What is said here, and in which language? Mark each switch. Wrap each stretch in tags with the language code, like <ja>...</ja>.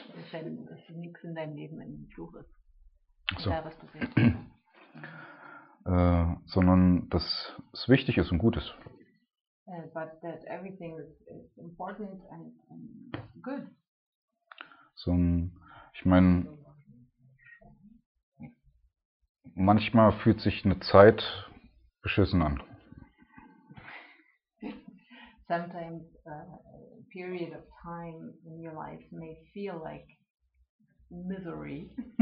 <de>Wenn nichts in deinem Leben ein Fluch ist. So. Egal, was du willst. Sondern dass es wichtig ist und gut ist.</de> <en>But that everything is important and good.</en> <de>So, ich meine, manchmal fühlt sich eine Zeit beschissen an.</de> <en>Sometimes a period of time in your life may feel like misery.</en>